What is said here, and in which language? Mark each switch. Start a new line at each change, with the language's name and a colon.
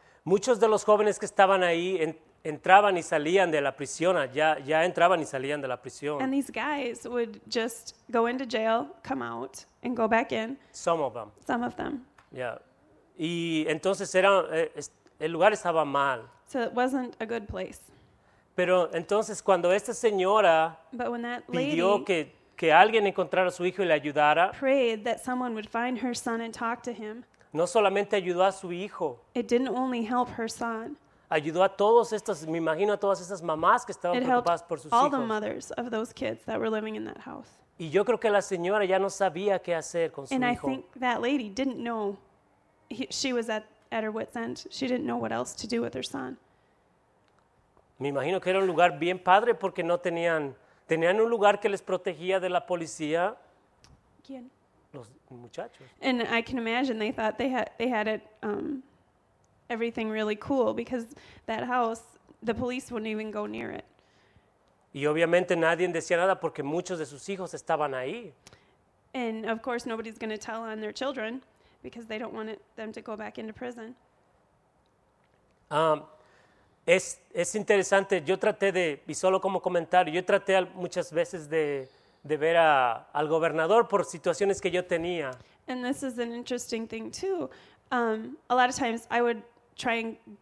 Spanish: Muchos de los jóvenes que estaban ahí entraban y salían de la prisión. Ya entraban y salían de la prisión.
English: And these guys would just go into jail, come out, and go back in. Some of them. Some of them. Yeah.
Spanish: Y entonces el lugar estaba mal.
English: So it wasn't a good place.
Spanish: Pero entonces cuando esta señora pidió que alguien encontrara a su hijo y le ayudara,
English: prayed that someone would find her son and talk to him.
Spanish: No solamente ayudó a su hijo.
English: It didn't only help her son.
Spanish: Ayudó a todos estos, me imagino a todas esas mamás que estaban preocupadas por sus hijos.
English: All the mothers of those kids that were living in that house.
Spanish: Y yo creo que la señora ya no sabía qué hacer con su hijo.
English: And I think that lady didn't know she was at her wit's end. She didn't know what else to do with her son.
Spanish: Me imagino que era un lugar bien padre porque no tenían, tenían un lugar que les protegía de la policía. ¿Quién? Los muchachos.
English: And I can imagine they thought they had it everything really cool because that house, the police wouldn't even go near it.
Spanish: Y obviamente nadie decía nada porque muchos de sus hijos estaban ahí.
English: And of course nobody's going to tell on their children because they don't want them to go back into prison.
Spanish: Es interesante, yo traté de, y solo como comentario, yo traté muchas veces de ver al gobernador por situaciones que yo tenía.
English: And this is an interesting thing too. A lot of times I would try and...